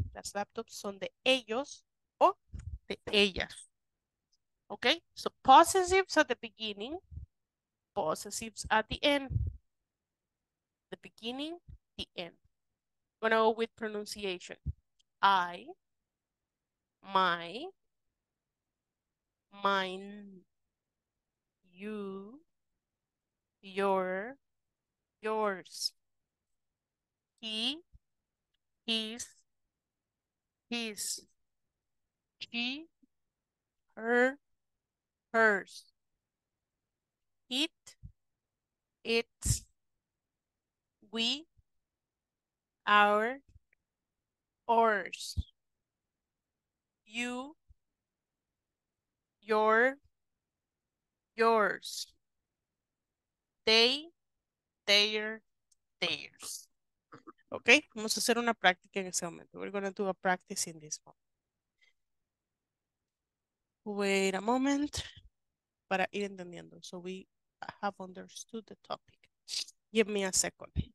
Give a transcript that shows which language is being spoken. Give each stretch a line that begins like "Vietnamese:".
Spanish: Las laptops son de ellos o de ellas.
English: Okay, so possessives at the beginning, possessives at the end. The beginning, the end. I'm gonna go with pronunciation. I, my, mine. You, your, yours. He, his, his. She, her, hers. It, its. We, our, ours. You, your, yours. They, their, theirs.
Spanish: Okay, vamos a hacer una práctica en ese momento.
English: We're going to do a practice in this moment. Wait a moment.
Spanish: Para ir entendiendo.
English: So we have understood the topic. Give me a second.